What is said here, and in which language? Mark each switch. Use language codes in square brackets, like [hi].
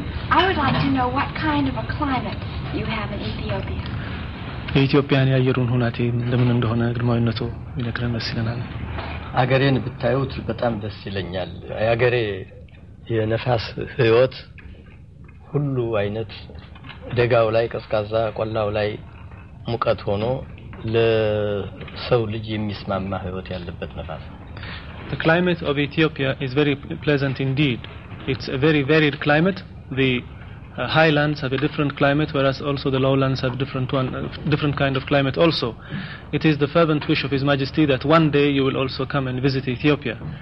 [en] I would like to know what kind of a climate you have in Ethiopia. [am] የኢትዮጵያን ያየሩን ሁናቴ እንደምን እንደሆነ ግርማዊነቱ ይነግረን ደስ ይለናል። አገሬን ብታዩት በጣም ደስ ይለኛል። አገሬ የነፋስ ህይወት ሁሉ አይነት ደጋው ላይ ቀዝቃዛ ቆላው ላይ ሙቀት ሆኖ ለሰው ልጅ የሚስማማ ህይወት ያለበት ነፋስ። [en] The climate of Ethiopia is very pleasant indeed. It's a very varied climate. The highlands have a different climate, whereas also the lowlands have different kind of climate also. It is the fervent wish of His Majesty that one day you will also come and visit Ethiopia.